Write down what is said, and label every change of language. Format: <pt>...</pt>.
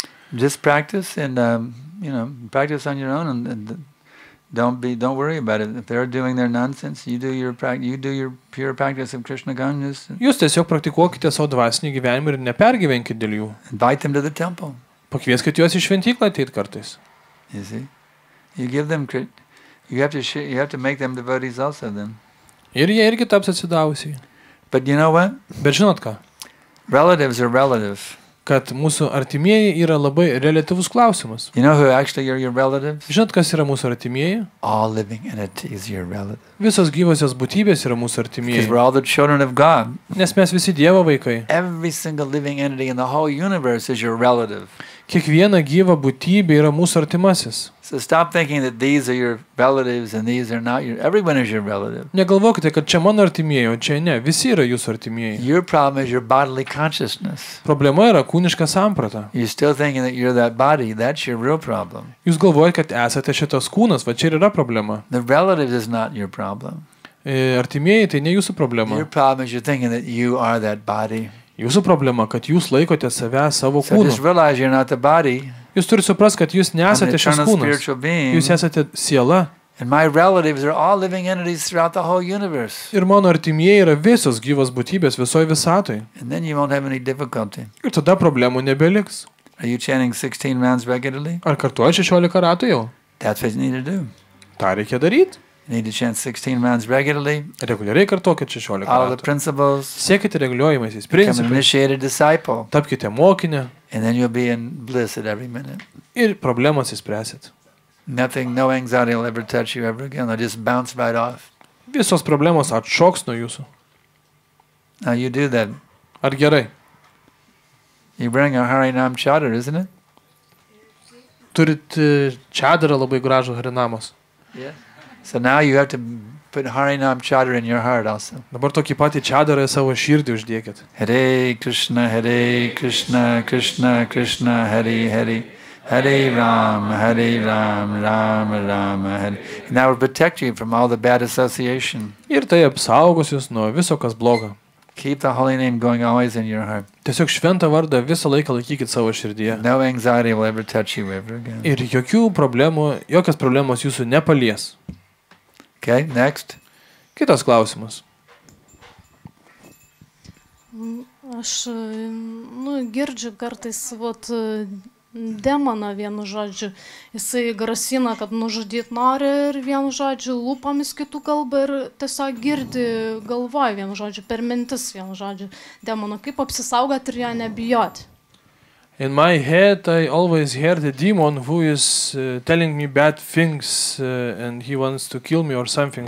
<en>Just practice and, you know, practice on your own and Don't worry about it. If they're doing their nonsense, you do your pure practice of Krishna consciousness.</en> <lt>Jūs tiesiog praktikuokite savo dvasinį gyvenimą ir nepergyvenkite dėl jų.</lt> <en>Invite them to the temple.</en> <lt>Pakvieskite juos į šventyklą ateit kartais.</lt> <en>You see? You give them you have to make them devotees also then.</en> <lt>Ir jie irgi taps atsidavusiai.</lt> <en>But you know what?</en> <lt>Bet žinot ką?</lt> <en>Relatives are relatives.</en> <lt>Kad mūsų artimieji yra labai relatyvus klausimas.</lt> <en>You know who actually are your relatives?</en> <lt>Žinot, kas yra mūsų artimieji?</lt> <en>All living entities is your relatives.</en> <lt>Visos gyvosios būtybės yra mūsų artimieji.</lt> <en>Because we're all the children of God.</en> <lt>Nes mes visi Dievo vaikai.</lt> <en>Every single living entity in the whole universe is your relative.</en> <lt>Kiekviena gyva būtybė yra mūsų artimasis.</lt> <en>So stop thinking that these are your relatives and these are not your... Everyone is your relative.</en> <lt>Negalvokite, kad čia mano artimieji, o čia ne. Visi yra jūsų artimieji.</lt> <en>Your problem is your bodily consciousness.</en> <lt>Problema yra kūniška samprata.</lt> <en>You're still thinking that you're that body. That's your real problem.</en> <lt>Jūs galvojate, kad esate šitas kūnas. Va čia ir yra problema.</lt> <en>The relative is not your problem.</en> <lt>Artimieji, tai ne jūsų problema.</lt> <en>Your problem is you're thinking that you are that body.</en> <lt>Jūsų problema, kad jūs laikote save savo kūnu.</lt> <en>So just realize you're not the body.</en> <lt>Jūs turi suprasti, kad jūs nesate šis kūnas. Jūs esate siela.</lt> <en>And my relatives are all living entities throughout the whole universe.</en> <lt>Ir mano artimieji yra visos gyvos būtybės visoj visatoj.</lt> <en>And then you won't have any difficulty.</en> <lt>Ir tada problemų nebeliks.</lt> <en>Are you chanting 16 rounds regularly?</en> <lt>Ar kartuoji 16 ratų jau?</lt> <en>That's what you need to do.</en> <lt>Tą reikia daryti.</lt> <en>You need to chant 16 rounds regularly.</en> <lt>Reguliariai kartuokit 16 ratų.</lt> <en>All the principles.</en> <lt>Siekite reguliuojamaisiais principais.</lt> <en>Become an initiated disciple.</en> <lt>Tapkite mokinę.</lt> <en>And then you'll be in bliss at every minute.</en> <lt>Ir problemos išspręsit.</lt> <en>Nothing, no anxiety will ever touch you ever again. They'll just bounce right off.</en> <lt>Visos problemos atšoks nuo jūsų.</lt> <en>Now you do that.</en> <lt>Ar gerai?</lt> <en>You bring a Harinam chadar, isn't it?</en> <lt>Turit čadarą labai gražų Harinamos.</lt> <en>Yeah. So now you have to put Harinam chadar in your heart also.</en> <lt>Dabar tokį patį čadarą savo širdį uždėkit.</lt> <sa>Hare Krishna, Krishna, Krishna, Hare, Hare. Hare Ram, Ram, Ram, Hare.</sa> <en>And that will protect you from all the bad association.</en> <lt>Ir tai apsaugos jūs nuo viso, kas bloga.</lt> <en>Keep the holy name going always in your heart.</en> <lt>Tiesiog šventą vardą visą laiką laikykit savo širdyje.</lt> <en>No anxiety will ever touch you ever again.</en> <lt>Ir jokių problemų, jokios problemos jūsų nepalies.</lt> <en>Okay, next.</en> <lt>Kitas klausimas. Aš, nu, girdžiu kartais vat demoną vienu žodžiu. Jisai grasina, kad nužudyt nori ir vienu žodžiu lūpomis kitų kalbą ir tiesiog girdi galvoj vienu žodžiu, per mintis vienu žodžiu demoną. Kaip apsisaugot ir jo nebijot?</lt> <en>In my head I always hear the demon who is telling me bad things and he wants to kill me or something.</en>